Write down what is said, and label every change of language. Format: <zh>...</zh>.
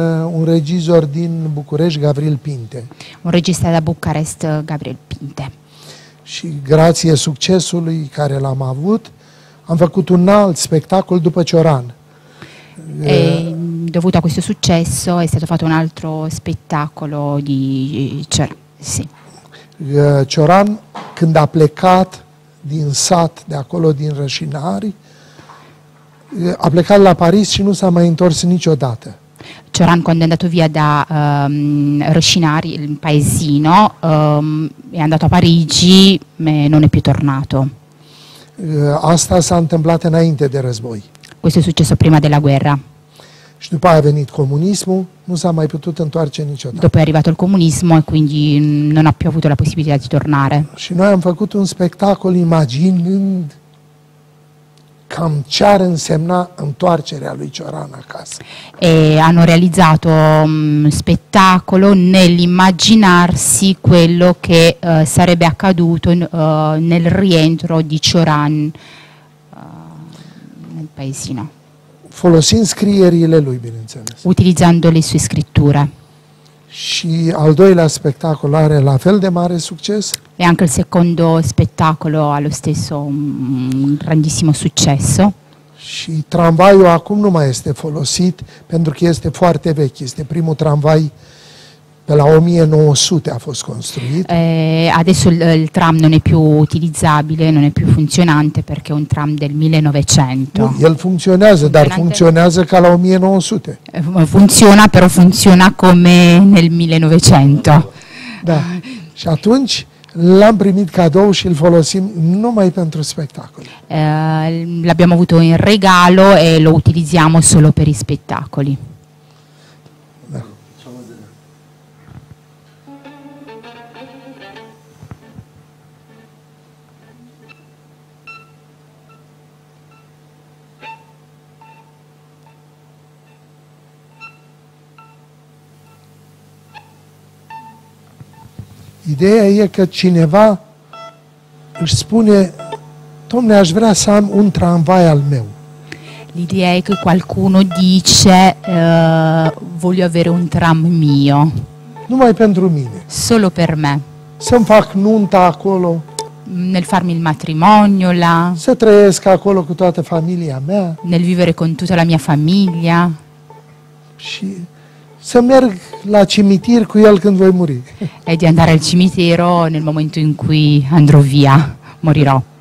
<ro>Un regizor din București, Gavril Pinte.</ro> <it>Un regista da Bucarest, Gavril Pinte.</it> <ro>Și grație succesului care l-am avut, am făcut un alt spectacol după Cioran.</ro> <it>E dovuto a questo successo è stato fatto un altro spettacolo di Cioran. Sì.</it> <ro>Cioran, când a plecat din sat, de acolo din Rășinari, a plecat la Paris și nu s-a mai întors niciodată.</ro> <it>Cioran, quando è andato via da Rășinari, il paesino, è andato a Parigi e non è più tornato.</it> <ro>Asta s-a întâmplat înainte de război.</ro> <it>Questo è successo prima della guerra.</it> <ro>Și după a venit comunismul, nu s-a mai putut întoarce niciodată.</ro> <it>Dopo è arrivato il comunismo e quindi non ha più avuto la possibilità di tornare.</it> <ro>Și noi am făcut un spectacol imaginând cam ce ar însemna întoarcerea lui Cioran acasă.</ro> <it>E hanno realizzato spettacolo nell'immaginarsi quello che sarebbe accaduto nel rientro di Cioran nel paesino.</it> <ro>Folosind scrierile lui, bineînțeles.</ro> <it>Utilizzando le sue scritture.</it> <ro>Și al doilea spectacol are la fel de mare succes.</ro> <it>E anche il secondo spettacolo ha lo stesso grandissimo successo.</it> <ro>Și tramvaiul acum nu mai este folosit pentru că este foarte vechi. Este primul tramvai pe la 1900 a fost construit.</ro> <it>Adesso il tram non è più utilizzabile, non è più funzionante perché è un tram del 1900.</it> <ro>Nu, el funcționează, dar funcționează ca la 1900.</ro> <it>Funziona, però funziona come nel 1900.</it> <ro>Da. Și atunci l-am primit cadou și îl folosim numai pentru spectacoli.</ro> <it>L'abbiamo avuto in regalo e lo utilizziamo solo per i spettacoli.</it> <ro>Ideea e că cineva își spune, domne, aș vrea să am un tramvai al meu.</ro> <it>l'idea è che qualcuno dice voglio avere un tram mio.</it> <ro>Numai pentru mine.</ro> <it>Solo per me.</it> <ro>Să-mi fac nunta acolo.</ro> <it>Nel farmi il matrimonio là.</it> <ro>Să trăiesc acolo cu toată familia mea.</ro> <it>Nel vivere con tutta la mia famiglia.</it> <ro>Și să merg la cimitir cu el când voi muri.</ro> <it>E di andare al cimitero nel momento in cui andrò via, morirò.</it>